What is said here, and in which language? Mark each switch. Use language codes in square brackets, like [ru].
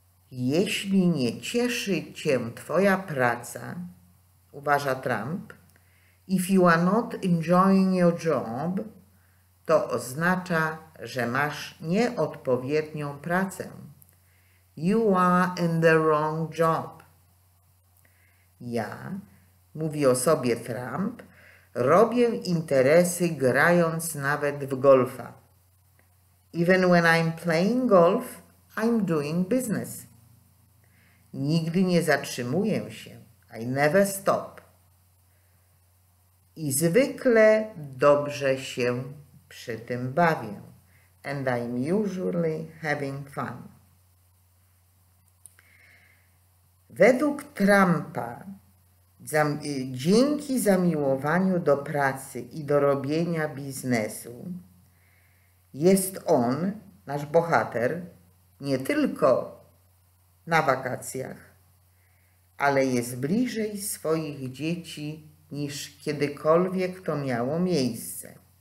[pl] Jeśli nie cieszy cię twoja praca, uważa Trump, [en] if you are not enjoying your job, [pl] to oznacza, że masz nieodpowiednią pracę. [en] You are in the wrong job. [pl] Ja, mówi o sobie Trump, robię interesy grając nawet w golfa. [en] Even when I'm playing golf, I'm doing business. [pl] Nigdy nie zatrzymuję się. [en] I never stop. [pl] I zwykle dobrze się przy tym bawię. [en] And I'm usually having fun. [pl] Według Trumpa, dzięki zamiłowaniu do pracy i do robienia biznesu, jest on, nasz bohater, nie tylko na wakacjach, ale jest bliżej swoich dzieci niż kiedykolwiek to miało miejsce.